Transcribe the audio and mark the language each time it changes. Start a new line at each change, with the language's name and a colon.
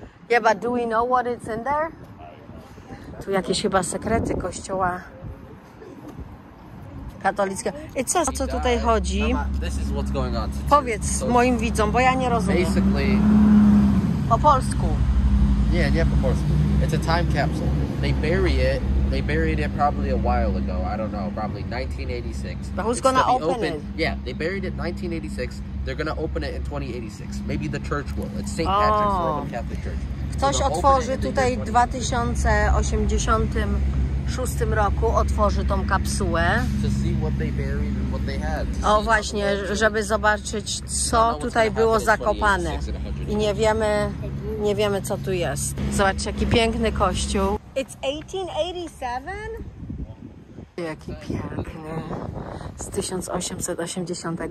English: Yeah, but do we know what it's in there?
Polish: Tu jakieś chyba sekrety kościoła katolickiego. I co, o co tutaj chodzi? Powiedz moim widzom, bo ja nie rozumiem. Po polsku.
English: Yeah, yeah, of course. It's a time capsule. They bury it. They buried it probably a while ago. I don't know. Probably 1986. But who's going to open it? Yeah, they buried it in 1986. They're going to open it in 2086. Maybe the church will. It's St. Patrick's Roman Catholic Church.
Polish: Ktoś otworzy tutaj w 2086 roku, otworzy tą kapsułę.
English: To see what they buried and what they had.
Polish: O właśnie, żeby zobaczyć, co tutaj było zakopane. I nie wiemy... Nie wiemy, co tu jest. Zobaczcie, jaki piękny kościół.
English: It's 1887?
Polish: Jaki piękny. Z 1880.